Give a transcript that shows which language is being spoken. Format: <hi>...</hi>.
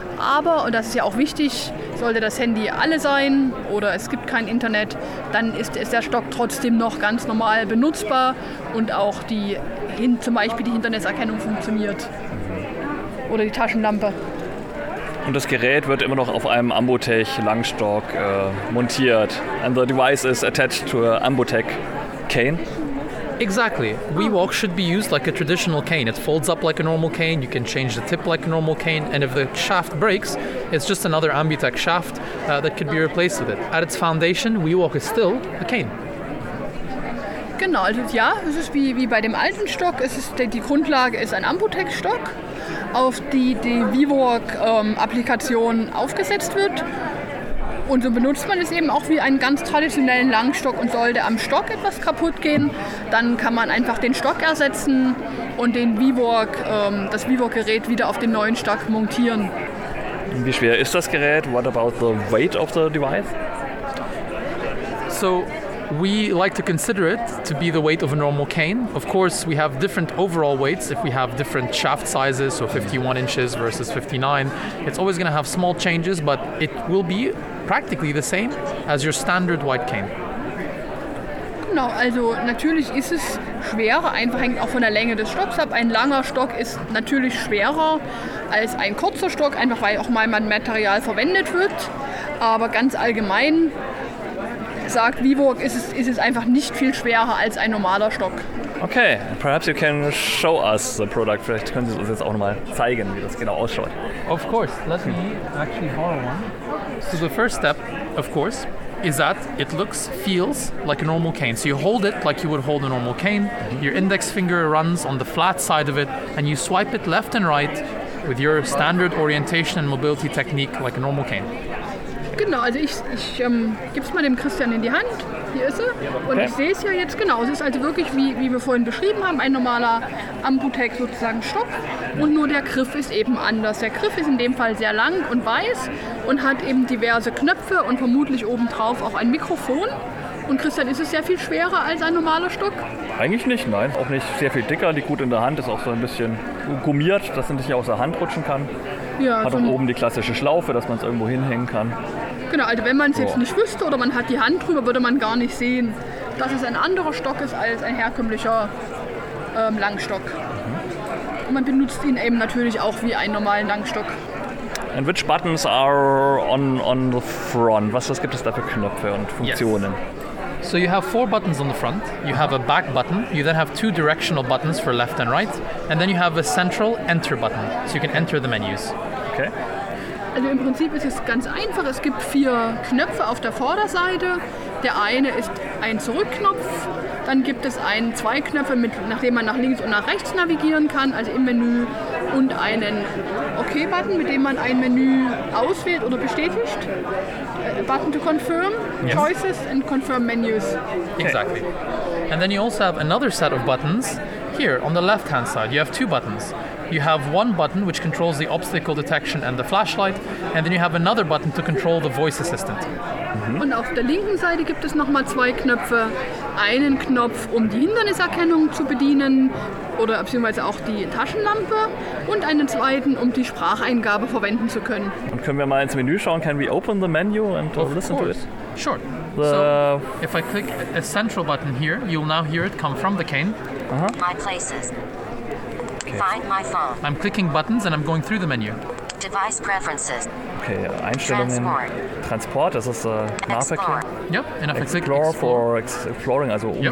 <de>Aber, und das ist ja auch wichtig, sollte das Handy alle sein oder es gibt kein Internet, dann ist der Stock trotzdem noch ganz normal benutzbar und auch zum Beispiel die Hinderniserkennung funktioniert oder die Taschenlampe. Und das Gerät wird immer noch auf einem Ambutech Langstock montiert.</de> <en>And the device is attached to an Ambutech cane. Exactly. WeWalk should be used like a traditional cane. It folds up like a normal cane, you can change the tip like a normal cane, and if the shaft breaks, it's just another Ambutech shaft that could be replaced with it. At its foundation, WeWalk is still a cane.</en> <de>Genau, also ja, es ist wie bei dem alten Stock, die Grundlage ist ein Ambutech-Stock, auf die WeWalk-Applikation aufgesetzt wird. Und so benutzt man es eben auch wie einen ganz traditionellen Langstock und sollte am Stock etwas kaputt gehen, dann kann man einfach den Stock ersetzen und das WeWalk-Gerät wieder auf den neuen Stock montieren. Wie schwer ist das Gerät?</de> <en>What about the weight of the device? So, we like to consider it to be the weight of a normal cane. Of course, we have different overall weights if we have different shaft sizes, so 51 inches versus 59. It's always going to have small changes, but it will be practically the same as your standard white cane.</en> <de>Genau, also natürlich ist es schwerer, einfach hängt auch von der Länge des Stocks ab. Ein langer Stock ist natürlich schwerer als ein kurzer Stock, einfach weil auch mal Material verwendet wird. Aber ganz allgemein sagt WeWalk, ist es einfach nicht viel schwerer als ein normaler Stock.</de> <en>Okay, perhaps you can show us the product.</en> <de>Vielleicht können Sie uns jetzt auch nochmal zeigen, wie das genau ausschaut.</de> <en>Of course, let me actually borrow one. So the first step, of course, is that it looks, feels like a normal cane. So you hold it like you would hold a normal cane. Your index finger runs on the flat side of it, and you swipe it left and right with your standard orientation and mobility technique like a normal cane.</en> <de>Genau, also ich gebe es mal dem Christian in die Hand. Hier ist er. Und okay. Ich sehe es ja jetzt genau. Es ist also wirklich, wie wir vorhin beschrieben haben, ein normaler Ambutech sozusagen Stock. Und nur der Griff ist eben anders. Der Griff ist in dem Fall sehr lang und weiß und hat eben diverse Knöpfe und vermutlich obendrauf auch ein Mikrofon. Und Christian, ist es sehr viel schwerer als ein normaler Stock? Eigentlich nicht, nein. Auch nicht sehr viel dicker. Liegt gut in der Hand, ist auch so ein bisschen gummiert, dass es nicht aus der Hand rutschen kann. Ja, hat auch oben die klassische Schlaufe, dass man es irgendwo hinhängen kann. Genau, also wenn man es jetzt nicht wüsste oder man hat die Hand drüber, würde man gar nicht sehen, dass es ein anderer Stock ist als ein herkömmlicher Langstock. Mhm. Und man benutzt ihn eben natürlich auch wie einen normalen Langstock.</de> <en>And which buttons are on the front?</en> <de>Was gibt es da für Knöpfe und Funktionen?</de> <en>Yes. So you have four buttons on the front. You have a back button. You then have two directional buttons for left and right. And then you have a central enter button. So you can enter the menus. Okay.</en> <de>Also im Prinzip ist es ganz einfach. Es gibt vier Knöpfe auf der Vorderseite. Der eine ist ein Zurückknopf. Dann gibt es zwei Knöpfe, nachdem man nach links und nach rechts navigieren kann, also im Menü. Und einen OK-Button, mit dem man ein Menü auswählt oder bestätigt.</de> <en>Button to confirm, yes. Choices and confirm menus. Exactly. And then you also have another set of buttons here on the left-hand side. You have two buttons. You have one button which controls the obstacle detection and the flashlight, and then you have another button to control the voice assistant. Mm-hmm.</en> <de>Und auf der linken Seite gibt es nochmal zwei Knöpfe. Einen Knopf, um die Hinderniserkennung zu bedienen, oder beziehungsweise auch die Taschenlampe, und einen zweiten, um die Spracheingabe verwenden zu können. Und können wir mal ins Menü schauen?</de> <en>Can we open the menu and listen to it? Sure. So, if I click a central button here, you'll now hear it come from the cane. Uh-huh. My places. Okay. Find my phone. I'm clicking buttons and I'm going through the menu. Device preferences.</en> <de>Okay, Einstellungen. Transport, das ist Nahverkehr.</de> <en>Yep, and explore for exploring, also yep.</en>